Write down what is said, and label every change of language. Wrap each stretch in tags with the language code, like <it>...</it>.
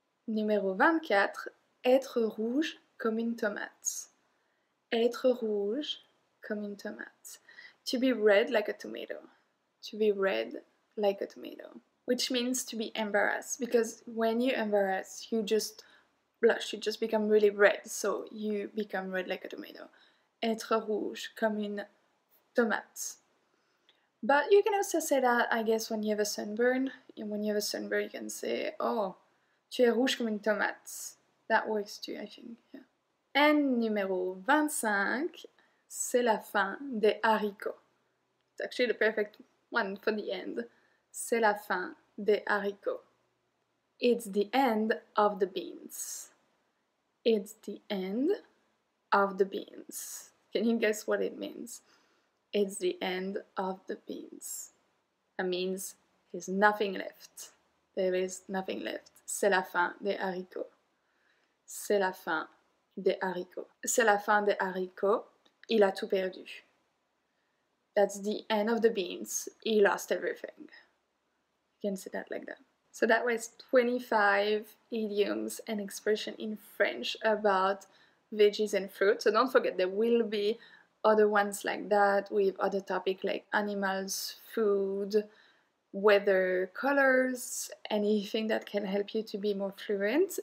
<fr>Numéro 24, être rouge comme une tomate. Être rouge comme une tomate.</fr> <en>To be red like a tomato. To be red like a tomato. Which means to be embarrassed. Because when you're embarrassed, you just blush. You just become really red. So you become red like a tomato.</en> <fr>Être rouge comme une tomate.</fr> <en>But you can also say that, I guess, when you have a sunburn. And when you have a sunburn, you can say, oh,</en> <fr>tu es rouge comme une tomate.</fr> <en>That works too, I think. Yeah.</en> <fr>And numéro 25, c'est la fin des haricots.</fr> <en>It's actually the perfect one for the end.</en> <fr>C'est la fin des haricots.</fr> <en>It's the end of the beans. It's the end of the beans. Can you guess what it means? It's the end of the beans. That means there's nothing left. There is nothing left.</en> <fr>C'est la fin des haricots. C'est la fin des haricots. C'est la fin des haricots. Il a tout perdu.</fr> <en>That's the end of the beans. He lost everything. You can say that like that. So that was 25 idioms and expressions in French about veggies and fruit. So don't forget, there will be other ones like that with other topics like animals, food, weather, colors, anything that can help you to be more fluent.</en>